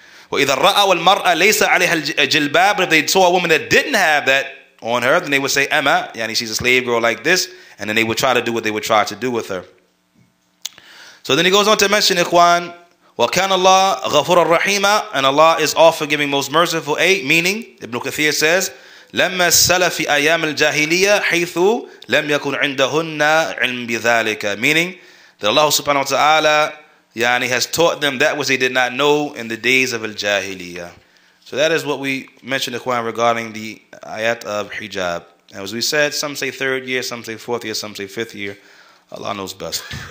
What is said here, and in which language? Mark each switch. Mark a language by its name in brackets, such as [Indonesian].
[Arabic] وَإِذَا رَأَوْا الْمَرْأَ لَيْسَ عَلَيْهَا الْجِلْبَابِ. [English] But if they saw a woman that didn't have that on her, then they would say, Emma, yani she's a slave girl like this. And then they would try to do what they would try to do with her. So then he goes on to mention, Ikhwan, [Arabic] وَكَانَ اللَّهُ غَفُورًا رَحِيمًا. [English] And Allah is all forgiving, most merciful. A, meaning, Ibn Kathir says, [Arabic] لَمَّا السَّلَفِ أَيَامِ الْجَاهِلِيَّةِ حَيْثُ لَمْ يَكُنْ عِنْدَهُنَّ عِلْمْ بِذَالِكَ. [English] Meaning that Allah subhanahu wa ta'ala has taught them that which they did not know in the days of al-jahiliyyah. So that is what we mentioned, Ikhwan, regarding the ayat of hijab. And as we said, some say third year, some say fourth year, some say fifth year. Allah knows best.